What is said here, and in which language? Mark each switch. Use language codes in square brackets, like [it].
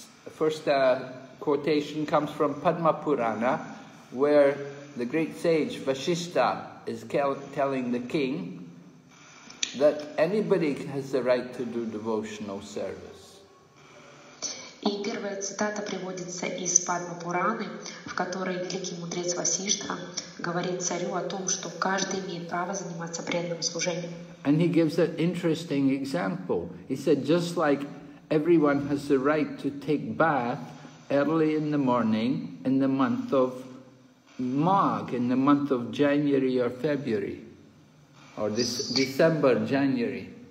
[en] First quotation comes from Padma Purana, where the great sage Vasishta is telling the king that anybody has the right to do devotional service. [ru] И первая цитата приводится из Падма Пураны, в которой великий мудрец Васиштха говорит царю о том, что каждый имеет право заниматься преданным служением. [en] And he gives an interesting example. He said, just like everyone has the right to take bath early in the morning in the month of Magh, in the month of January or February, or December, January.